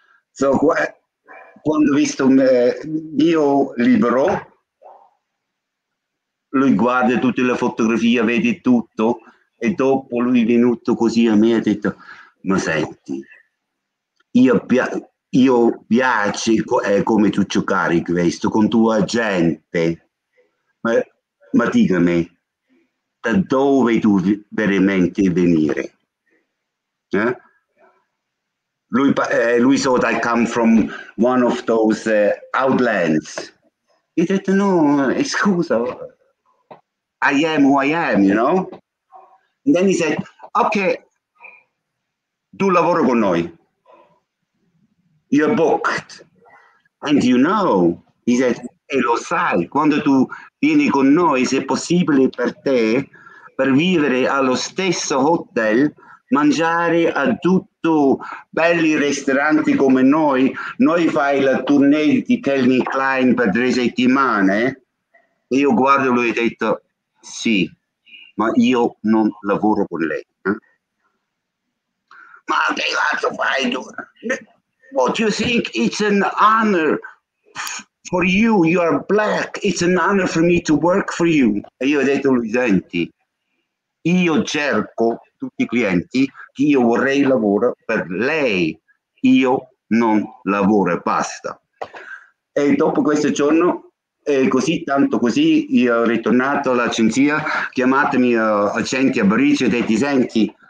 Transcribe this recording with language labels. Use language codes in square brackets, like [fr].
[it] So, quando ho visto il mio libro, lui guarda tutte le fotografie, vede tutto, e dopo lui è venuto così a me e ha detto, ma senti, io piace come tu giocare questo, con tua gente, ma dimmi, da dove tu veramente venire? [en] Lui thought I come from one of those outlands. He said, no, excuse me. I am who I am, you know? And then he said, okay, [it] tu lavoro con noi. [en] You're booked. And you know, he said, [it] e lo sai, quando tu vieni con noi, se è possibile per te, per vivere allo stesso hotel, mangiare a tutto belli ristoranti come noi fai la tournée di Calvin Klein per 3 settimane, e io guardo lui e ho detto, sì, ma io non lavoro con lei. Ma che cazzo fai tu? [en] What you think it's an honor for you? You are black, it's an honor for me to work for you. [it] E io ho detto lui, senti, io cerco tutti i clienti che io vorrei lavoro per lei, io non lavoro, basta. E dopo questo giorno, così tanto così, io ho ritornato all'agenzia, chiamatemi agenti a Parigi e detto, senti,